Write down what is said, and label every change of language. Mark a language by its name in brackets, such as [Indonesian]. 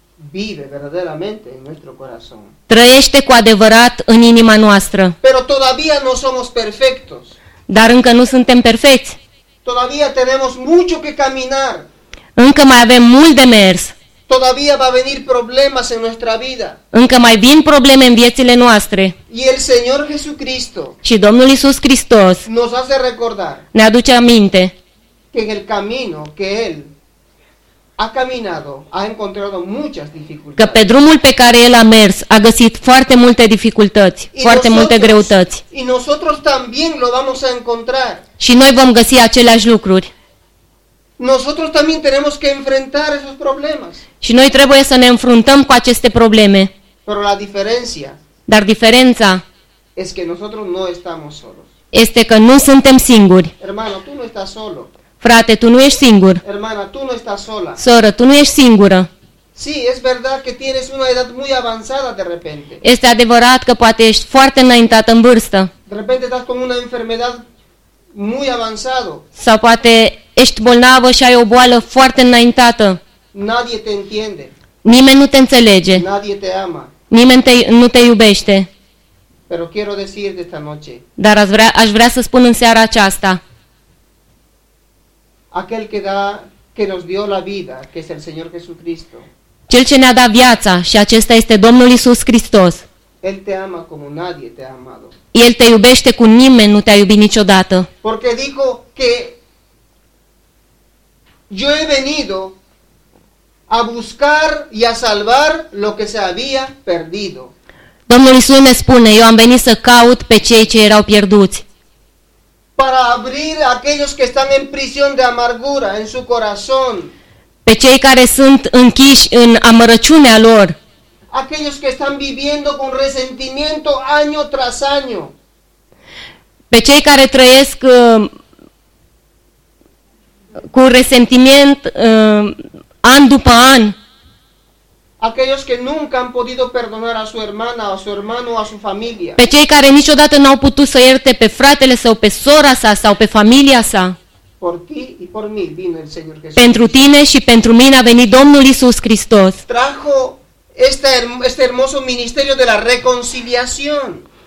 [Spanish] vive verdaderamente en nuestro corazón. [Romanian] Trăiește cu adevărat în inima noastră. [Spanish] Pero todavía no somos perfectos. [Romanian] Dar încă nu suntem perfecți. [Spanish] Todavía tenemos mucho que caminar. [Romanian] Încă mai avem mult de mers. [Spanish] Todavía va a venir problemas en nuestra vida. [Romanian] Încă mai vin probleme în viețile noastre. [Spanish] Y el Señor Jesucristo. [Romanian] Și Domnul Iisus Hristos. [Spanish] Nos hace recordar. [Romanian] Ne aduce aminte. [Spanish] Que en el camino que él ha caminado, ha encontrado muchas dificultades. [Romanian] Că pe drumul pe care el a mers, a găsit foarte multe dificultăți, multe greutăți. [Spanish] Y nosotros también lo vamos a encontrar. [Romanian] Și noi vom găsi aceleași lucruri. [Spanish] Nosotros también tenemos que enfrentar esos problemas. [Romanian] Și noi trebuie să ne înfruntăm cu aceste probleme. [Spanish] Pero la diferencia. [Romanian] Dar diferența [Spanish] es que nosotros no estamos solos. [Romanian] Este că nu suntem singuri. [Spanish] Hermano, tú no estás solo. [Romanian] Frate, tu nu ești singur. [Spanish] Hermana, tu no estás sola. [Romanian] Soră, tu nu ești singură. [Spanish] Sí, es verdad que tienes una edad muy avanzada de repente. [Romanian] Este adevărat că poate ești foarte înaintată în vârstă. [Spanish] De repente estás con una enfermedad muy avanzado. [Romanian] Sau poate ești bolnavă și ai o boală foarte înaintată. [Spanish] Nadie te entiende. [Romanian] Nimeni nu te înțelege. [Spanish] Nadie te ama. [Romanian] Nimeni nu te iubește. [Spanish] Pero quiero decir de esta noche. [Romanian] Dar aș vrea să spun în seara aceasta. [Spanish] Aquel que da, que nos dio la vida, que es el Señor Jesucristo. [Romanian] Cel ce ne-a dat viața și acesta este Domnul Iisus Hristos. [Spanish] El te ama como nadie te ha amado. [Romanian] El te iubește cu nimeni nu te-a iubit niciodată. [Spanish] Porque digo que yo he venido a buscar y a salvar lo que se había perdido. [Romanian] Domnul Iisus ne spune, eu am venit să caut pe cei ce erau pierduți. [Spanish] Para abrir aquellos que están en prisión de amargura en su corazón. [Romanian] Pe cei care sunt închiși în amărăciunea lor. [Spanish] Aquellos que están viviendo con resentimiento año tras año. [Romanian] Pe cei care trăiesc cu resentiment an după an. [Spanish] Aquellos que nunca han podido perdonar a su hermana, a su hermano, a su familia. [Romanian] Pe cei care niciodată n-au putut să ierte pe fratele sau pe sora sa sau pe familia sa. [Spanish] Por ti y por mí vino el Señor Jesús. [Romanian] Pentru tine și pentru mine a venit Domnul Iisus Hristos. [Spanish] Trajo este hermoso ministerio de la reconciliación.